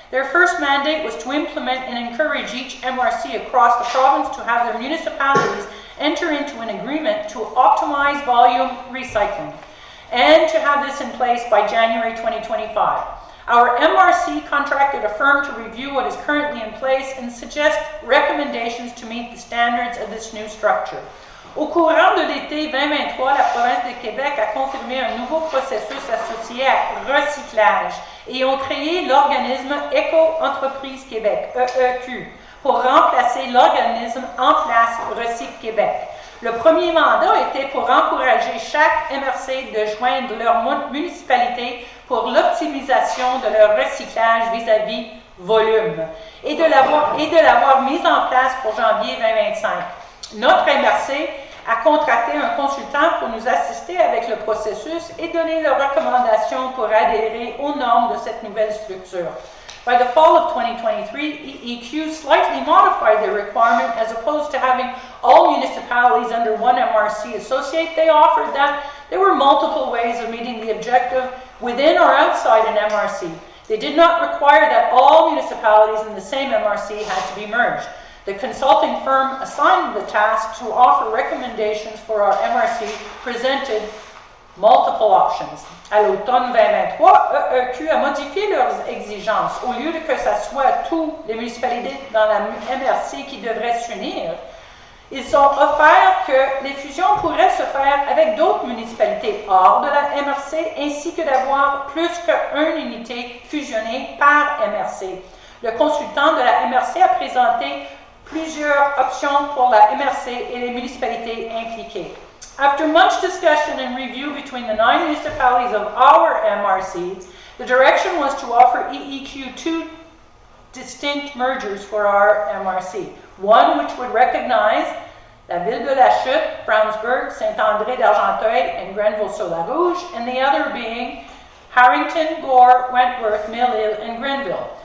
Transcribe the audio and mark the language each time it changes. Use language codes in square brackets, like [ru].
[en] Their first mandate was to implement and encourage each MRC across the province to have their municipalities enter into an agreement to optimize volume recycling and to have this in place by January 2025. Our MRC contracted a firm to review what is currently in place and suggest recommendations to meet the standards of this new structure. [fr] Au courant de l'été 2023, la province de Québec a confirmé un nouveau processus associé à recyclage et ont créé l'organisme Eco-Entreprise Québec, EEQ, pour remplacer l'organisme en place Recyc Québec. Le premier mandat était pour encourager chaque MRC de joindre leur municipalité pour l'optimisation de leur recyclage vis-à-vis volume et de l'avoir mise en place pour janvier 2025. Notre MRC a contracté un consultant pour nous assister avec le processus et donner leurs recommandations pour adhérer aux normes de cette nouvelle structure. [en] By the fall of 2023, EEQ slightly modified their requirement as opposed to having all municipalities under one MRC associate. They offered that there were multiple ways of meeting the objective within or outside an MRC. They did not require that all municipalities in the same MRC had to be merged. The consulting firm assigned the task to offer recommendations for our MRC presented multiple options. [fr] À l'automne 2023, EEQ a modifié leurs exigences. Au lieu de que ce soit toutes les municipalités dans la MRC qui devraient s'unir, ils ont offert que les fusions pourraient se faire avec d'autres municipalités hors de la MRC ainsi que d'avoir plus qu'une unité fusionnée par MRC. Le consultant de la MRC a présenté plusieurs options pour la MRC et les municipalités impliquées. [en] After much discussion and review between the nine municipalities of our MRCs, the direction was to offer EEQ two distinct mergers for our MRC. One which would recognize La Ville de la Chute, Brownsburg, Saint-André d'Argenteuil, and Grenville-sur-la-Rouge, and the other being Harrington, Gore, Wentworth, Mill Hill, and Grenville.